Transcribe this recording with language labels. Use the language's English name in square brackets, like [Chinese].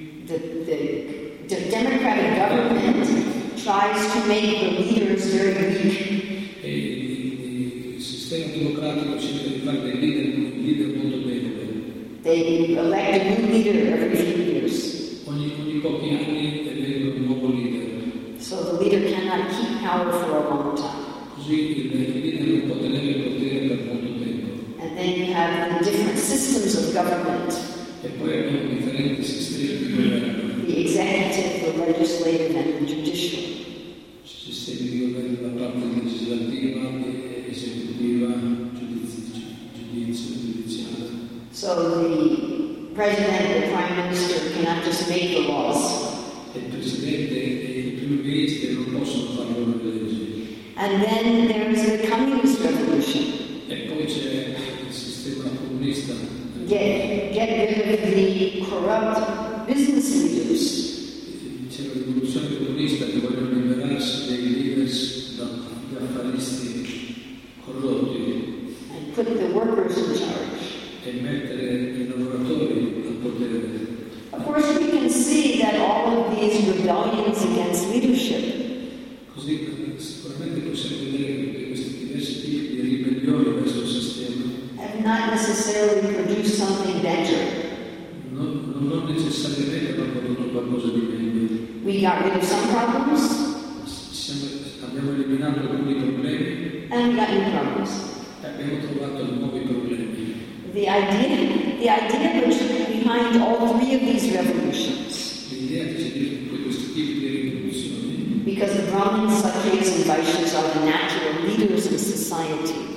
[English] The democratic government tries to make the leaders very weak. [Italian] E il sistema democratico cerca di fare dei leader molto deboli. [English] They elect a new leader every few years. [Italian] Ogni pochi anni vengono un nuovo leader. [English] So the leader cannot keep power for a long time. [Italian] Così il leader non può tenere il potere per molto tempo. [English] And then you have the different systems of government. [Italian] E poi abbiamo differenti sistemi di governo. [English] The executive, the legislative, and the judicial. [Italian] Ci sono sistemi di governo da parte legislativa, esecutiva, giudiziaria. [English] So the president, the prime minister, cannot just make the laws. [Italian] Il presidente e il primo ministro non possono fare le leggi. [English] And then there is the communist revolution. [Italian] E poi c'è il sistema comunista. [English] Get rid of the corrupt business leaders. [Italian] C'è la rivoluzione comunista che vogliono liberarsi dei leaders da affaristi corrotti. [English] And put the workers in charge. [Italian] E mettere i lavoratori al potere. [English] Of course we can see that all of these rebellions against leadership. [Italian] Così sicuramente possiamo vedere che questi diversi tipi di ribellioni verso il sistema [English] have not necessarily produced something better. [Italian] Non necessariamente hanno prodotto qualcosa di meglio. [English] We got rid of some problems. [Italian] Abbiamo eliminato alcuni problemi. [English] And we got new problems. [Italian] E abbiamo trovato nuovi problemi. [English] The idea which behind all three of these revolutions. Because the Brahmins, Kshatriyas, and Vaishyas are the natural leaders of society.